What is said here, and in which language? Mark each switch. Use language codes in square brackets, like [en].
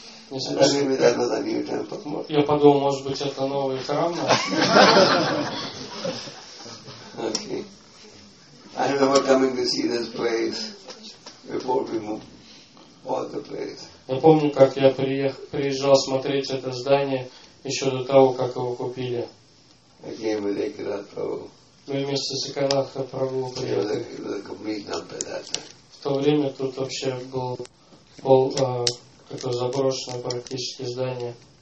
[ru] Я подумал, может быть, это новый храм? [en] Okay. I remember coming to see this place before we moved. [ru] Я помню, как я приезжал смотреть это здание еще до того, как его купили. Мы вместе с Экранатха Прабху приехали. В то время тут вообще было какое-то заброшенное практически здание.